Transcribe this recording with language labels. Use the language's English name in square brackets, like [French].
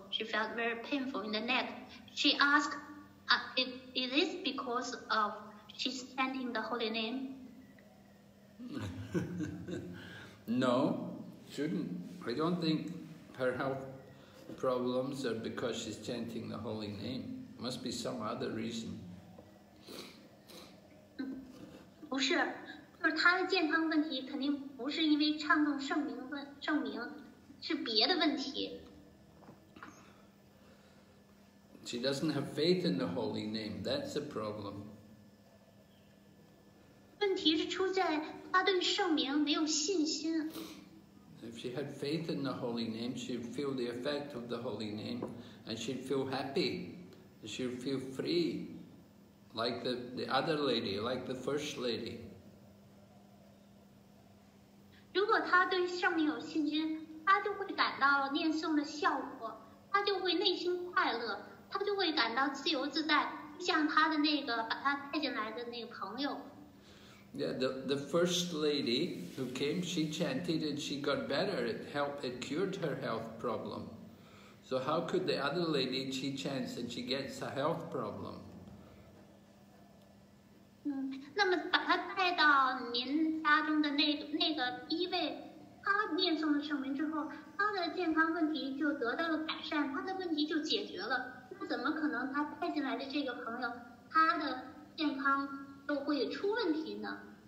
[English] She felt very painful in the neck. She asked, is this because of She's chanting the holy name. No, shouldn't. I don't think her health problems are because she's chanting the holy name. Must be some other reason. [Chinese] 不是，就是她的健康问题肯定不是因为唱诵圣名，是别的问题。 [English] She doesn't have faith in the holy name. That's a problem. [Chinese] 问题是出在她对圣名没有信心。 [English] If she had faith in the holy name, she'd feel the effect of the holy name, and she'd feel happy, and she'd feel free, like the other lady, like the first lady. [Chinese] 如果她对圣名有信心，她就会感到念诵的效果，她就会内心快乐，她就会感到自由自在，像她的那个把她带进来的那个朋友。 [English] Yeah, the first lady who came, she chanted and she got better. It cured her health problem. So how could the other lady, she chants and she gets a health problem? [Chinese] 那么把她带到您家中的那个一位，她念诵了圣名之后，她的健康问题就得到了改善，她的问题就解决了。那怎么可能她带进来的这个朋友，她的健康都会出问题呢？